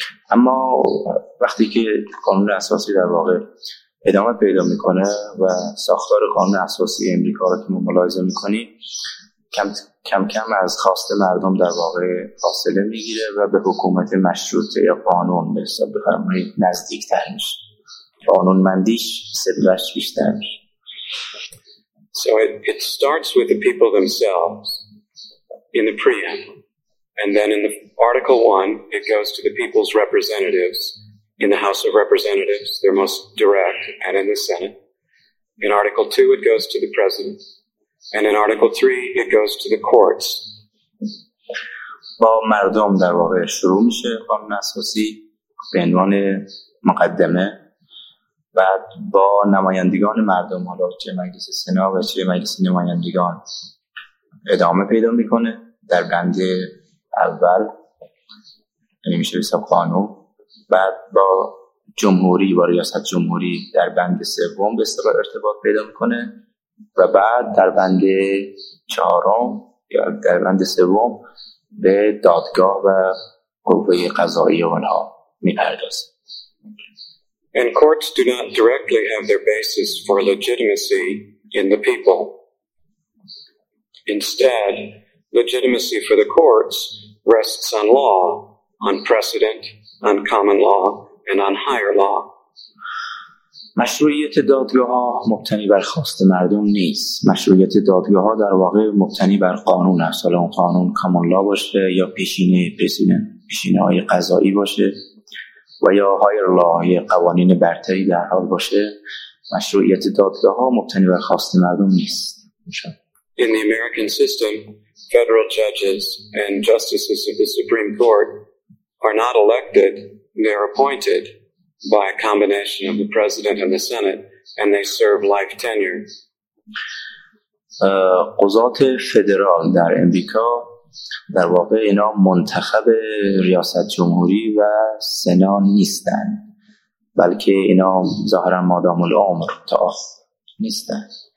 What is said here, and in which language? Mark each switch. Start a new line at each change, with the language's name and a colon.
Persian: اما وقتی که قانون اساسی در واقع ادامه پیدا میکنه و ساختار قانون اساسی امریکا رو که ما ملاحظه میکنیم کم کم از خواست مردم در واقع فاصله میگیره و به حکومت مشروطه یا قانون به حساب بفرمایید نزدیکتر میشه، قانونمندیش صدقش بیشتر میشه.
English: So it starts with the people themselves in the preamble, and then in the article 1 it goes to the people's representatives in the House of Representatives, their most direct, and in the Senate. In Article 2, it goes to the President. And in Article 3, it goes to the courts.
Persian: با مردم در واقع شروع میشه قانون اساسی به عنوان مقدمه، بعد با نمایندگان مردم، حالا چه مجلس سنا و چه مجلس نمایندگان، ادامه پیدا میکنه در بند اول، یعنی میشه حساب قانون، بعد با جمهوری و ریاست جمهوری در بند سوم به اصطلاح ارتباط پیدا میکنه و بعد در بند چهارم یا در بند سوم به دادگاه و قوه قضاییه اونها میپردازه.
English: And courts do not directly have their basis for legitimacy in the people. Instead, legitimacy for the courts rests on law, on precedent, on common law and on higher law.
Persian: مشروعیت دادگاه ها مبتنی بر خواست مردم نیست. مشروعیت دادگاه ها در واقع مبتنی بر قانون است. حالا اون قانون common law باشه یا پیشینه های قضایی باشه و یا higher law یا قوانین برتری در حال باشه. مشروعیت دادگاه ها مبتنی بر خواست مردم نیست.
English: In the American system, federal judges and justices of the Supreme Court are not elected, they're appointed by a combination of the president and the senate and they serve life tenure.
Persian: قضات فدرال در امریکا در واقع اینا منتخب ریاست جمهوری و سنا نیستند، بلکه اینا ظاهرا مادام العمر تا نیستند.